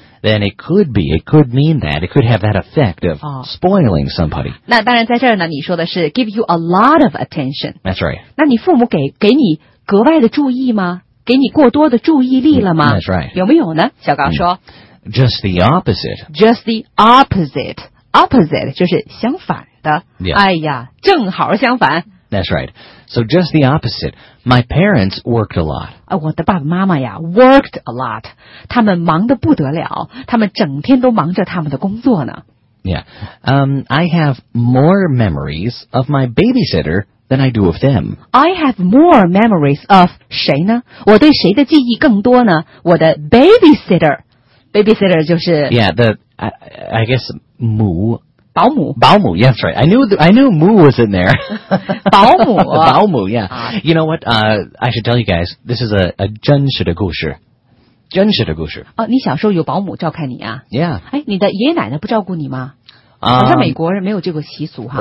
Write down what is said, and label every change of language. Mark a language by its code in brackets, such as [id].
[en] then it could be, it could mean that, it could have that effect of spoiling somebody. [zh] 那当然在这儿呢，你说的是 [en] give you a lot of attention. That's right. [zh] 那你父母给你格外的注意吗？给你过多的注意力了吗？ [en] That's right. [zh] 有没有呢？小刚说。 [en] Just the opposite. Just the opposite. Opposite [zh] 就是相反的。 [en] Yeah. [zh] 哎呀，正好相反。 [en] That's right. So just the opposite. My parents worked a lot. [zh] 我的爸爸妈妈呀 [en] worked a lot. [zh] 他们忙得不得了，他们整天都忙着他们的工作呢。 [en] Yeah. I have more memories of my babysitter than I do of them. I have more memories of [zh] 谁呢？我对谁的记忆更多呢？我的 babysitter. Babysitter 就是 [en] Yeah, I guess 母 [zh] 保姆 [en] 保姆 yes, right. I knew Moo was in there. [zh] 保姆保姆 yeah. [en] You know what, I should tell you guys, this is a [zh] 真实的故事。真实的故事。哦，你小时候有保姆照看你啊？ [en] Yeah. [zh] 哎，你的爷爷奶奶不照顾你吗？好像美国人没有这个习俗哈。